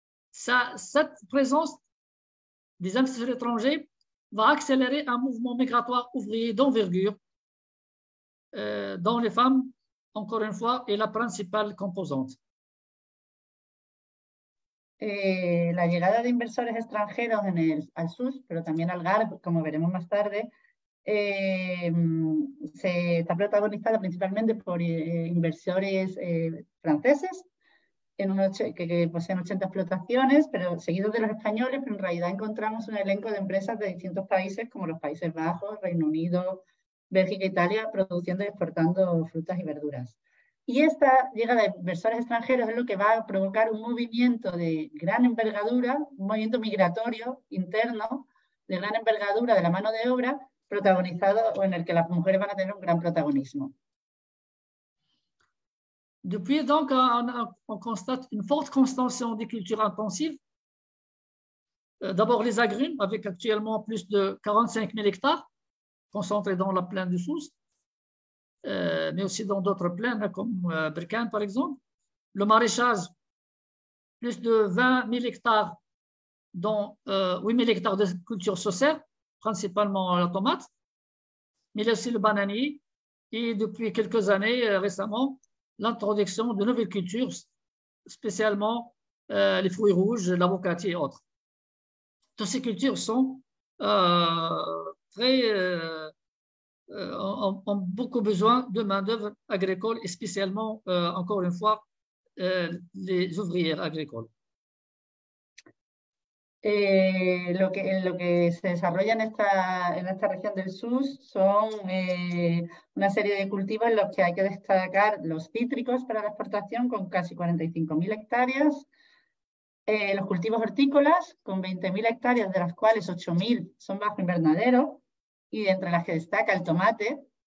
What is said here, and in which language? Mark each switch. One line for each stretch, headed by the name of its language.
French: Cette présence des investisseurs étrangers va accélérer un mouvement migratoire ouvrier d'envergure dont les femmes, encore une fois, est la principale composante.
Spanish: La llegada de inversores extranjeros al SUS, pero también al GARP, como veremos más tarde, se está protagonizada principalmente por inversores franceses, que poseen 80 explotaciones, pero seguidos de los españoles, pero en realidad encontramos un elenco de empresas de distintos países, como los Países Bajos, Reino Unido, Bélgica, Italia, produciendo y exportando frutas y verduras. Y esta llegada de inversores extranjeros es lo que va a provocar un movimiento de gran envergadura, un movimiento migratorio interno de gran envergadura de la mano de obra, protagonizado o en el que las mujeres van a tener un gran protagonismo.
French: Depuis donc, on constate une forte constitution des cultures intensives. D'abord les agrumes, avec actuellement plus de 45 000 hectares concentrés dans la plaine du Sousse, mais aussi dans d'autres plaines comme Brican, par exemple. Le maraîchage, plus de 20 000 hectares, dont 8 000 hectares de cultures saucères, principalement la tomate, mais aussi le bananier, et depuis quelques années récemment, l'introduction de nouvelles cultures, spécialement les fruits rouges, l'avocatier et autres. Toutes ces cultures sont ont beaucoup besoin de main-d'œuvre agricole, et spécialement, encore une fois, les ouvrières agricoles.
Spanish: Lo que se desarrolla en esta región del sur son una serie de cultivos en los que hay que destacar los cítricos para la exportación con casi 45.000 hectáreas, los cultivos hortícolas con 20.000 hectáreas, de las cuales 8.000 son bajo invernadero, y entre las que destaca el tomate,